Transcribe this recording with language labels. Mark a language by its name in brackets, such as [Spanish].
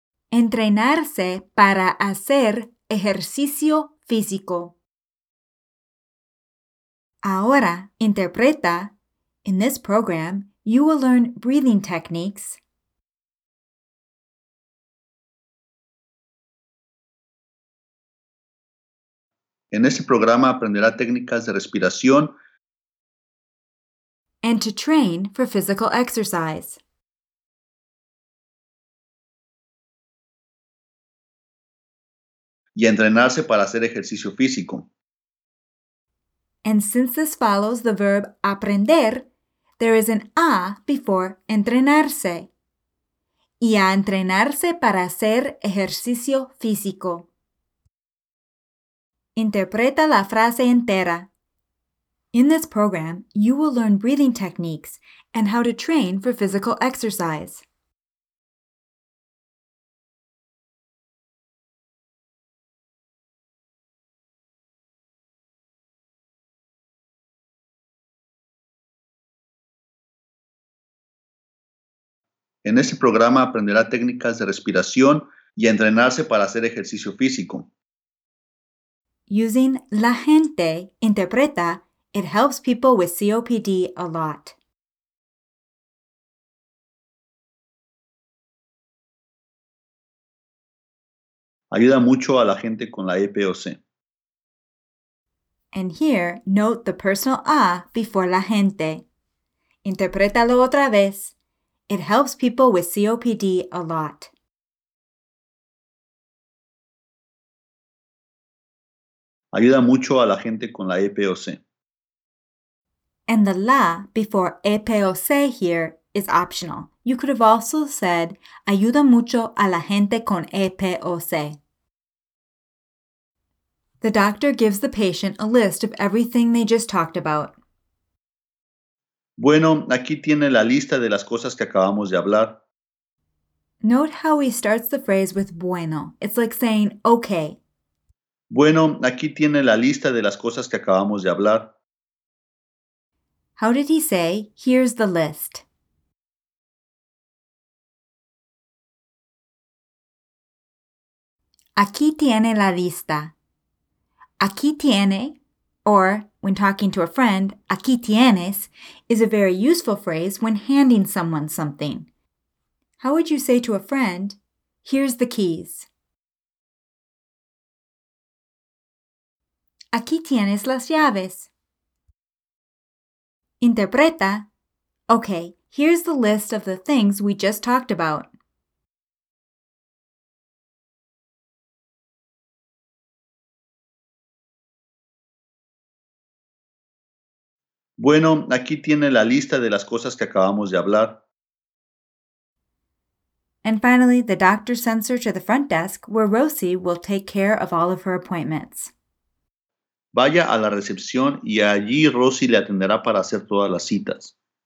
[Spanish] Entrenarse para hacer ejercicio físico. Ahora, interpreta. [English] In this program, you will learn breathing techniques. [Spanish] En ese programa aprenderá técnicas de respiración. [English] And to train for physical exercise. [Spanish] Y entrenarse para hacer ejercicio físico. [English] And since this follows the verb aprender, there is an a before entrenarse. [Spanish] Y a entrenarse para hacer ejercicio físico. Interpreta la frase entera. [English] In this program, you will learn breathing techniques and how to train for physical exercise. [Spanish] En ese programa aprenderá técnicas de respiración y entrenarse para hacer ejercicio físico. [English] Using [Spanish] la gente interpreta, [English] it helps people with COPD a lot. [Spanish] Ayuda mucho a la gente con la EPOC. [English] And here, note the personal A before la gente. [Spanish] Interprétalo otra vez. [English] It helps people with COPD a lot. [Spanish] Ayuda mucho a la gente con la EPOC. [English] And the la before EPOC here is optional. You could have also said, [Spanish] ayuda mucho a la gente con EPOC. [English] The doctor gives the patient a list of everything they just talked about. [Spanish] Bueno, aquí tiene la lista de las cosas que acabamos de hablar. [English] Note how he starts the phrase with bueno. It's like saying, okay. [Spanish] Bueno, aquí tiene la lista de las cosas que acabamos de hablar. [English] How did he say, here's the list? [Spanish] Aquí tiene la lista. Aquí tiene, [English] or when talking to a friend, [Spanish] aquí tienes, [English] is a very useful phrase when handing someone something. How would you say to a friend, here's the keys? [Spanish] Aquí tienes las llaves. Interpreta. [English] Okay, here's the list of the things we just talked about. [Spanish] Bueno, aquí tiene la lista de las cosas que acabamos de hablar. [English] And finally, the doctor sends her to the front desk where Rosie will take care of all of her appointments. [Spanish] Vaya a la recepción y allí Rosie le atenderá para hacer todas las citas.